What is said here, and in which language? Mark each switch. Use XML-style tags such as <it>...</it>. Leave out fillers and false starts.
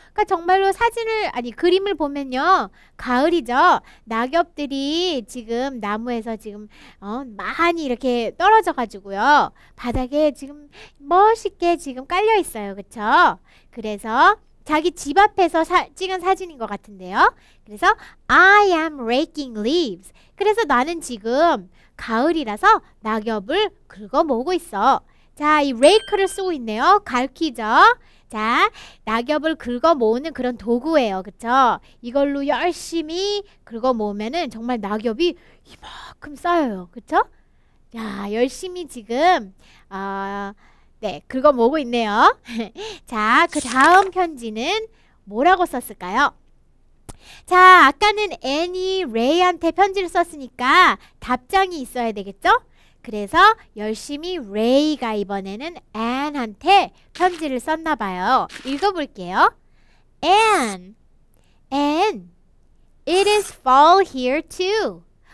<ko>그러니까 정말로 그림을 보면요. 가을이죠. 낙엽들이 지금 나무에서 지금 많이 이렇게 떨어져가지고요. 바닥에 지금 멋있게 지금 깔려있어요. 그쵸? 그래서 자기 집 앞에서 찍은 사진인 것 같은데요. 그래서</ko> <en>I am raking leaves.</en> <ko>그래서 나는 지금 가을이라서 낙엽을 긁어모으고 있어. 자, 이 rake를 쓰고 있네요. 갈퀴죠. 자, 낙엽을 긁어모으는 그런 도구예요. 그쵸? 이걸로 열심히 긁어모으면은 정말 낙엽이 이만큼 쌓여요. 그쵸? 자, 열심히 지금 네, 긁어모으고 있네요. 자, 그 다음 편지는 뭐라고 썼을까요? 자, 아까는 앤이 레이한테 편지를 썼으니까 답장이 있어야 되겠죠? 그래서 열심히 레이가 이번에는 앤한테 편지를 썼나 봐요. 읽어볼게요.</ko> <en>앤, 앤, it is fall here too.</en>